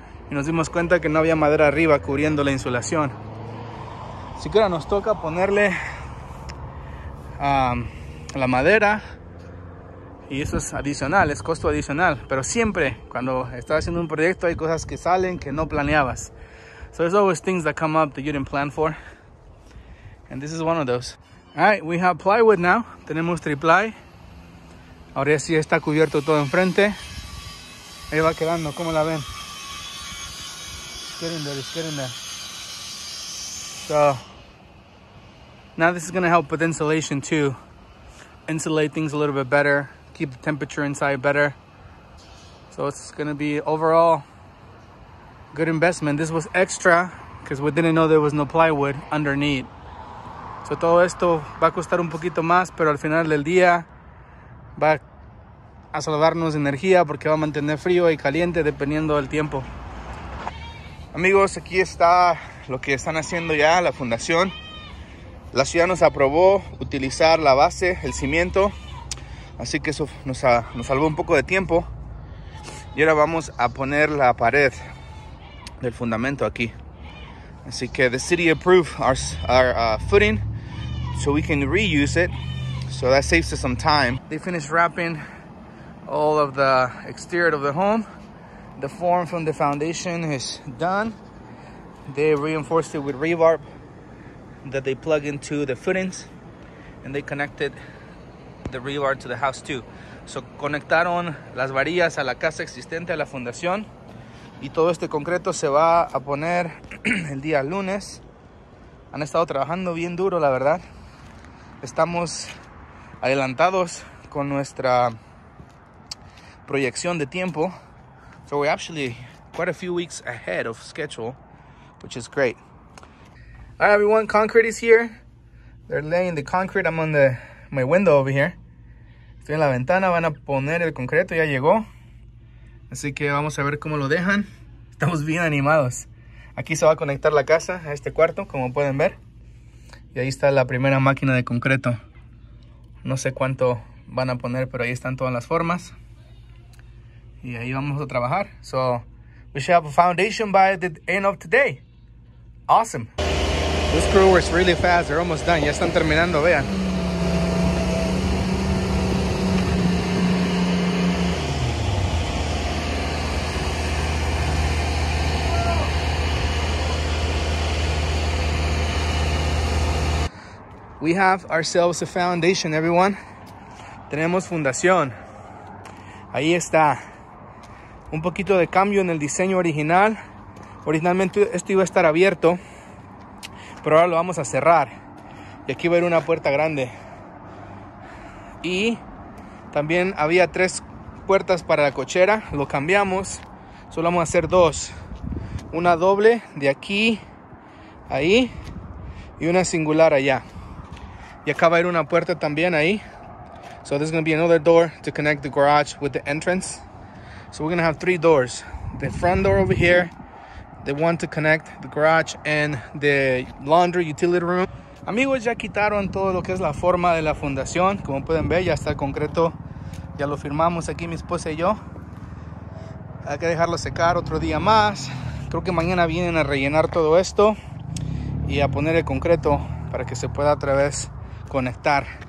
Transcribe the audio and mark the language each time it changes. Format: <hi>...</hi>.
<es>y nos dimos cuenta que no había madera arriba cubriendo la insulación. Así que ahora nos toca ponerle la madera, y eso es adicional, es costo adicional. Pero siempre cuando estás haciendo un proyecto hay cosas que salen que no planeabas.</es> <en>So there's always things that come up that you didn't plan for, and this is one of those. All right, we have plywood now.</en> <es>Tenemos triply. Ahora sí está cubierto todo enfrente. Ahí va quedando, ¿cómo la ven?</es> <en>It's getting there, it's getting there. So, now this is going to help with insulation too. Insulate things a little bit better. Keep the temperature inside better. So it's going to be overall good investment. This was extra because we didn't know there was no plywood underneath.</en> <es>So todo esto va a costar un poquito más, pero al final del día va a salvarnos energía porque va a mantener frío y caliente dependiendo del tiempo. Amigos, aquí está lo que están haciendo ya, la fundación. La ciudad nos aprobó utilizar la base, el cimiento, así que eso nos salvó un poco de tiempo. Y ahora vamos a poner la pared del fundamento aquí. Así que</es> <en>the city approved our footing, so we can reuse it, so that saves us some time. They finished wrapping all of the exterior of the home. The form from the foundation is done. They reinforced it with rebar that they plug into the footings, and they connected the rebar to the house too.</en> <es>So conectaron las varillas a la casa existente, a la fundación, y todo este concreto se va a poner el día lunes. Han estado trabajando bien duro, la verdad. Estamos adelantados con nuestra proyección de tiempo.</es> <en>So we're actually quite a few weeks ahead of schedule, which is great. All right, everyone, concrete is here. They're laying the concrete. I'm on my window over here.</en> <es>Estoy en la ventana, van a poner el concreto, ya llegó. Así que vamos a ver cómo lo dejan. Estamos bien animados. Aquí se va a conectar la casa a este cuarto, como pueden ver. Y ahí está la primera máquina de concreto. No sé cuánto van a poner, pero ahí están todas las formas. Y ahí vamos a trabajar.</es> <en>So, we should have a foundation by the end of today. Awesome. This crew works really fast. They're almost done.</en> <es>Ya están terminando, vean.</es> <en>We have ourselves a foundation, everyone.</en> <es>Tenemos fundación. Ahí está. Un poquito de cambio en el diseño original. Originalmente esto iba a estar abierto, pero ahora lo vamos a cerrar. Y aquí va a haber una puerta grande. Y también había tres puertas para la cochera. Lo cambiamos. Solo vamos a hacer dos. Una doble de aquí, ahí. Y una singular allá. Y acá va a haber una puerta también ahí.</es> <en>So there's going to be another door to connect the garage with the entrance. So we're going to have three doors. The front door over here, the one to connect the garage and the laundry utility room.</en> <es>Amigos, ya quitaron todo lo que es la forma de la fundación. Como pueden ver, ya está el concreto. Ya lo firmamos aquí mi esposa y yo. Hay que dejarlo secar otro día más. Creo que mañana vienen a rellenar todo esto y a poner el concreto para que se pueda otra vez conectar.</es>